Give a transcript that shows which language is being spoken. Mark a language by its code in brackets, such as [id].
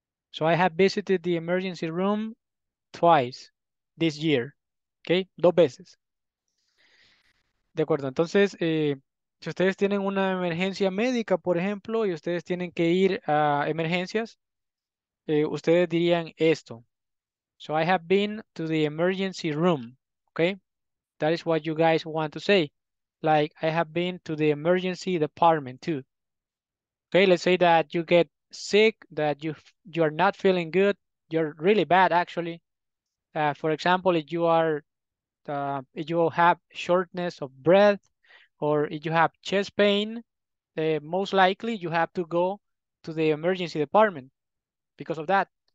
[en] So I have visited the emergency room twice this year. [es] ¿Ok? Dos veces. De acuerdo. Entonces, si ustedes tienen una emergencia médica, por ejemplo, y ustedes tienen que ir a emergencias, ustedes dirían esto. [en] So I have been to the emergency room. Okay? That is what you guys want to say. Like, I have been to the emergency department too. Okay, let's say that you get sick, that you are not feeling good. You're really bad, actually. For example, if you are, if you have shortness of breath or if you have chest pain, most likely you have to go to the emergency department because of that.